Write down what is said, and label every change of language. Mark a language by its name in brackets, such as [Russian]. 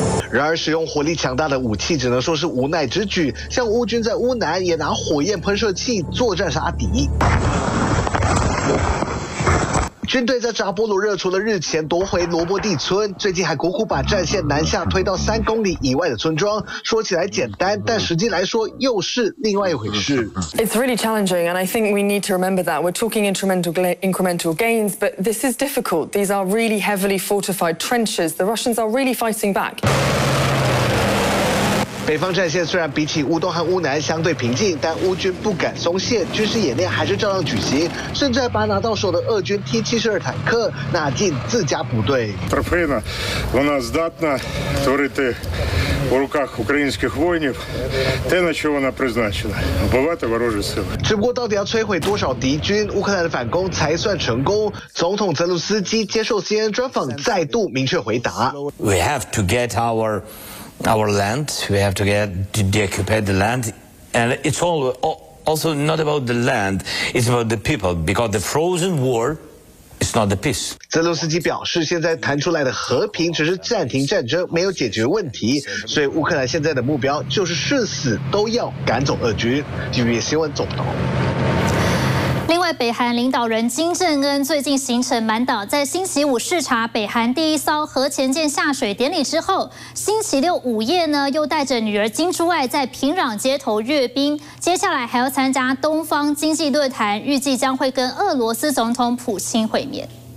[Chinese] 然而使用火力强大的武器只能说是无奈之举，像乌军在乌南也拿火焰喷射器作战杀敌。军队在扎波罗热除了日前夺回罗波地村，最近还苦苦把战线南下推到3公里以外的村庄。说起来简单，但实际来说又是另外一回事。 [English] It's really challenging, and I think we need to remember that we're talking incremental gains, but this is difficult. These are really heavily fortified trenches. The Russians are really fighting back. [Chinese] 北方战线虽然比起乌东和乌南相对平静，但乌军不敢松懈，军事演练还是照样举行，甚至还把拿到手的俄军 T-72 坦克纳进自家部队。 [Ukrainian] Трофейна, вона здатна творити в руках українських воїнів те, на що вона призначена – вбивати ворожі сили. [Chinese] 只不过到底要摧毁多少敌军，乌克兰的反攻才算成功？总统泽伦斯基接受 CNN 专访，再度明确回答 [English] ：We have to get our land, we have to get to deoccupy the land, and it's also not about the land, it's about the people, because the frozen war is not the peace. [Chinese] 泽伦斯基表示，现在谈出来的和平只是暂停战争，没有解决问题，所以乌克兰现在的目标就是誓死都要赶走俄军。 TVBS新闻总导。另外，北韩领导人金正恩最近行程满岛，在星期五视察北韩第一艘核潜舰下水典礼之后，星期六午夜呢又带着女儿金珠爱在平壤街头阅兵，接下来还要参加东方经济论坛，预计将会跟俄罗斯总统普京会面。